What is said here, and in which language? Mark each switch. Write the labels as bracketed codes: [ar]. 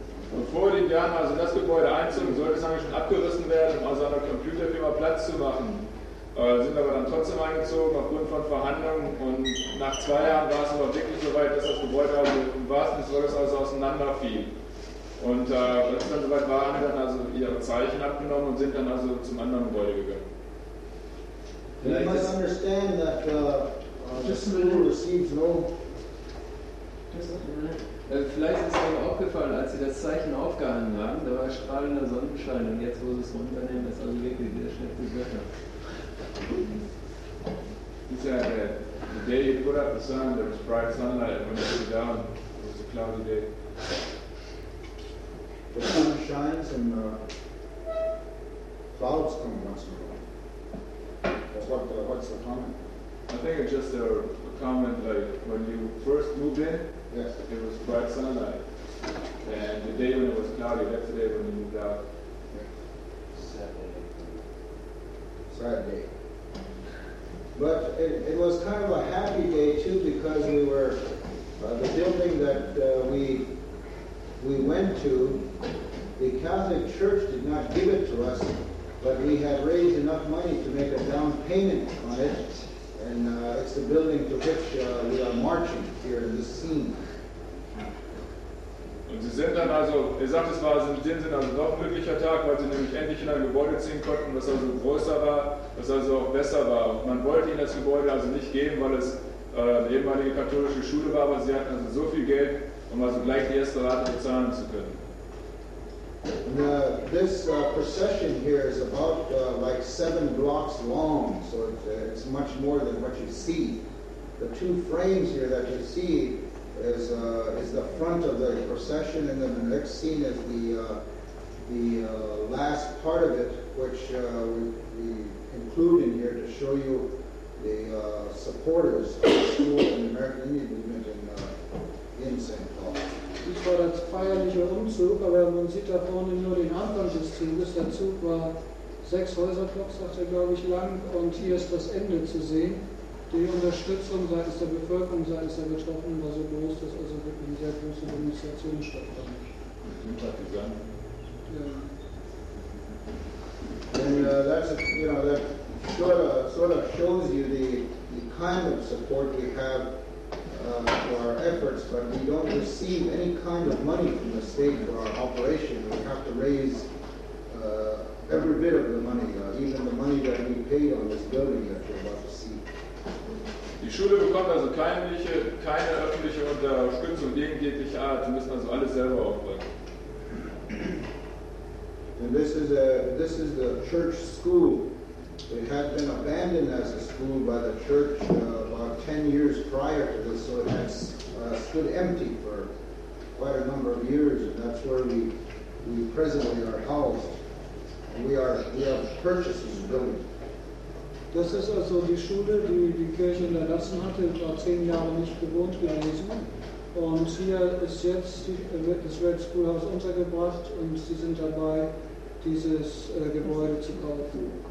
[de] Bevor die Indianer also das Gebäude einzogen, sollte es eigentlich schon abgerissen werden, um also einer Computerfirma Platz zu machen. Sind aber dann trotzdem eingezogen aufgrund von Verhandlungen, und nach 2 Jahren war es aber wirklich so weit, dass das Gebäude also im wahrsten Sinne also auseinanderfiel. Und als dann soweit war, haben dann also ihre Zeichen abgenommen und sind dann also zum anderen Gebäude gegangen. [en] You must understand that the school receives no [de] Vielleicht ist es euch aufgefallen, als sie das Zeichen aufgehangen haben, da war strahlender Sonnenschein und jetzt, wo sie es runternehmen, ist also wirklich sehr schlechte Wetter. [en] He said that the day you put up the sun, there was bright sunlight, and when you put it down, it was a cloudy day. The sun shines and clouds come once in a while. That's what's the comment? I think it's just a comment like when you first moved in, yes, it was bright sunlight. And the day when it was cloudy, that's the day when you moved out. Sad day. But it was kind of a happy day too, because we were the building that we went to, the Catholic Church did not give it to us, but we had raised enough money to make a down payment on it, and it's the building to which we are marching here in this scene. [de] Und sie sind dann also, er sagt, es war in dem Sinne also doch ein glücklicher Tag, weil sie nämlich endlich in ein Gebäude ziehen konnten, was also größer war, was also auch besser war. Und man wollte ihnen das Gebäude also nicht geben, weil es eine ehemalige katholische Schule war, aber sie hatten also so viel Geld, um also gleich die erste Rate bezahlen zu können. [en] And, this procession here is about like 7 blocks long, so it's much more than what you see. The 2 frames here that you see is the front of the procession, and then the next scene is the last part of it, which we include in here to show you the supporters of the school and the American Indian Movement in St. Paul. [de] Das war der feierliche Umzug, aber man sieht da vorne nur den Anfang des Zuges. Der Zug war 6 Häuserblocks, sagt er, glaube ich, lang, und hier ist das Ende zu sehen. Die Unterstützung seitens der Bevölkerung, seitens der Betroffenen war so groß, dass also wirklich eine sehr große Demonstration stattfand. Mit Sympathisanten. Ja. [en] And that's, you know, that sort of shows you the kind of support we have for our efforts, but we don't receive any kind of money from the state for our operation. We have to raise every bit of the money, even the money that we paid on this building that you're about to see. [de] Die Schule bekommt also keine öffentliche Unterstützung irgendjeglicher Art. Sie müssen also alles selber aufbringen. [en] And this is the church school. It had been abandoned as a school by the church about 10 years prior to this, so it has stood empty for quite a number of years, and that's where we presently are housed. And we are purchasing the building. [de] Das ist also die Schule, die die Kirche unterlassen hatte, war 10 Jahre nicht bewohnt gewesen. Und hier ist jetzt das Red Schoolhouse untergebracht und sie sind dabei, dieses Gebäude zu kaufen.